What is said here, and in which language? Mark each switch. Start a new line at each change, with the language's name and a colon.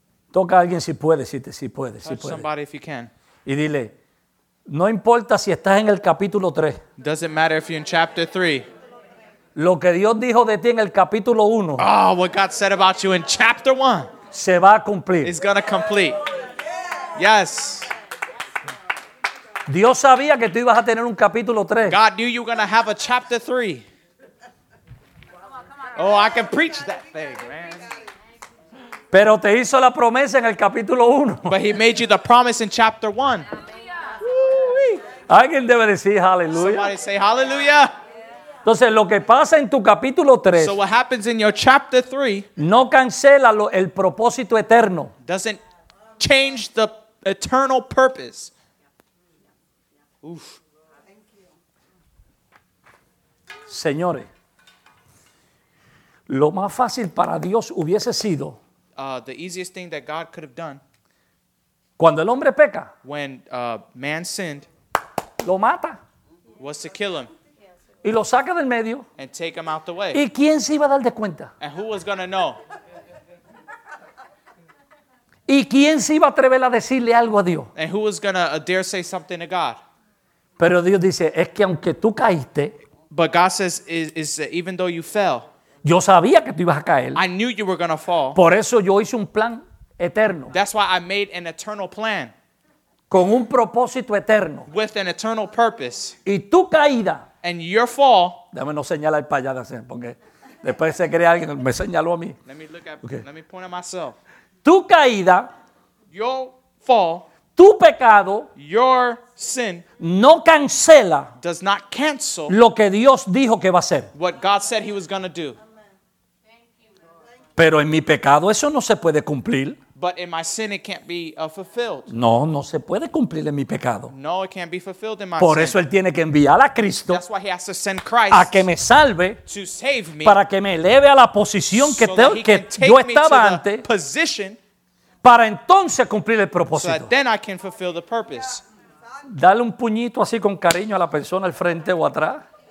Spanish: Toca a alguien si puede, si puede.
English: Touch
Spanish: si puede.
English: Somebody if you can.
Spanish: Y dile, no importa si estás en el capítulo 3.
English: Doesn't matter if you're in chapter 3.
Spanish: Lo que Dios dijo de ti en el capítulo 1,
English: oh, what God said about you in chapter 1,
Spanish: se va a cumplir.
English: It's going to complete. Yes.
Spanish: Dios sabía que tú ibas a tener un capítulo 3.
English: God knew you were going to have a chapter 3. Oh, I can preach that thing, man.
Spanish: Pero te hizo la promesa en el capítulo 1.
English: But he made you the promise in chapter 1.
Spanish: Alguien debe decir hallelujah.
English: Somebody say hallelujah.
Spanish: Entonces, lo que pasa en tu capítulo 3,
English: so what happens in your chapter 3,
Spanish: no cancela el propósito eterno.
English: Doesn't change the eternal purpose. Oof.
Spanish: Señores, lo más fácil para Dios hubiese sido
English: the easiest thing that God could have done
Spanish: Cuando el hombre peca,
English: when man sinned,
Spanish: lo mata.
English: Was to kill him.
Spanish: Y lo saca del medio.
English: And take him out the way.
Spanish: ¿Y quién se iba a dar de cuenta?
English: And who was gonna know?
Spanish: ¿Y quién se iba a atrever a decirle algo a Dios?
English: And who was gonna dare say something to God?
Spanish: Pero Dios dice, es que aunque tú caíste,
English: but God says, is even though you fell,
Spanish: yo sabía que tú ibas a caer.
English: I knew you were gonna fall.
Spanish: Por eso yo hice un plan eterno.
English: That's why I made an eternal plan.
Spanish: Con un propósito eterno.
English: With an eternal purpose.
Spanish: Y tu caída.
English: And your fall.
Spanish: Déjame no señalar para allá, porque después se cree alguien, me señaló a mí.
English: Let me look at, okay. Let me point at myself.
Spanish: Tu caída.
English: Your fall.
Spanish: Tu pecado.
English: Your sin.
Spanish: No cancela.
English: Does not cancel.
Spanish: Lo que Dios dijo que va a hacer.
English: What God said he was going to do.
Spanish: Pero en mi pecado eso no se puede cumplir.
English: But in my sin it can't be fulfilled.
Spanish: No, no se puede cumplir en mi pecado.
English: No, it can't be fulfilled in my
Spanish: por
English: sin.
Spanish: Por eso él tiene que enviar a Cristo.
English: That's why he has to send Christ.
Spanish: A que me salve.
English: To save me.
Spanish: Para que me eleve a la posición
English: so
Spanish: que, te,
English: that he
Spanish: que
English: can take
Spanish: yo estaba
English: me to
Spanish: antes.
English: The position.
Spanish: Para entonces cumplir el propósito.
English: So that then I can fulfill the purpose.
Spanish: Dale un puñito así con cariño a la persona al frente o atrás.